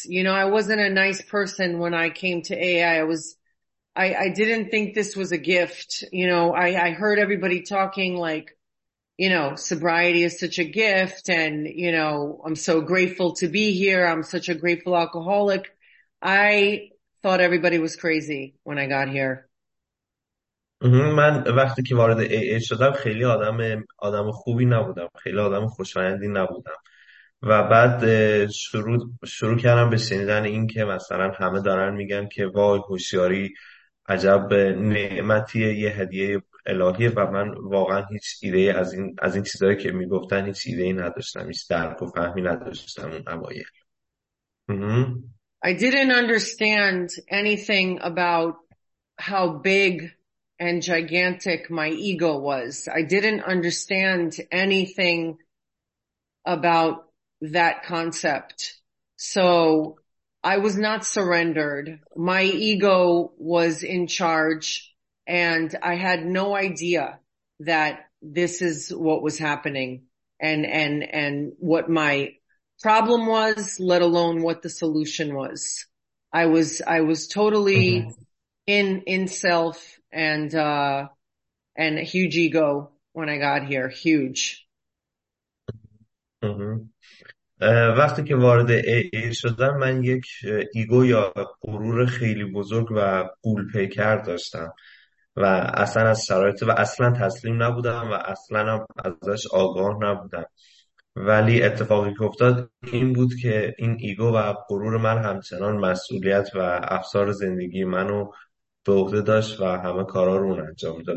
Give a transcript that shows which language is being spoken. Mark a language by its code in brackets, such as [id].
[en] You know, I wasn't a nice person when I came to AA. I didn't think this was a gift. You know, I heard everybody talking like, you know, sobriety is such a gift. And, you know, I'm so grateful to be here. I'm such a grateful alcoholic. I thought everybody was crazy when I got here. [fa] من وقتی که وارد AA شدم خیلی آدم خوبی نبودم، خیلی آدم خوشایندی نبودم و بعد شروع کردم به شنیدن این که مثلا همه دارن میگن که وای هوشیاری عجب نعمتیه، یه هدیه الهیه و من واقعا هیچ ایده از این چیزایی که میگفتن هیچ ایده ای نداشتم، هیچ درک و فهمی نداشتم اون اوایل. [en] I didn't understand anything about how big and gigantic my ego was. I didn't understand anything about that concept. So I was not surrendered. My ego was in charge, and I had no idea that this is what was happening and what my problem was, let alone what the solution was. I was totally in self and a huge ego when I got here. Huge. [fa] وقتی که وارد AA شدم من یک ایگو یا غرور خیلی بزرگ و غول پیکر داشتم و اصلا از شرایط و اصلا تسلیم نبودم و اصلا هم ازش آگاه نبودم، ولی اتفاقی که افتاد این بود که این ایگو و غرور من همچنان مسئولیت و افسار زندگی منو به عهده داشت و همه کارا رو اون انجام میداد.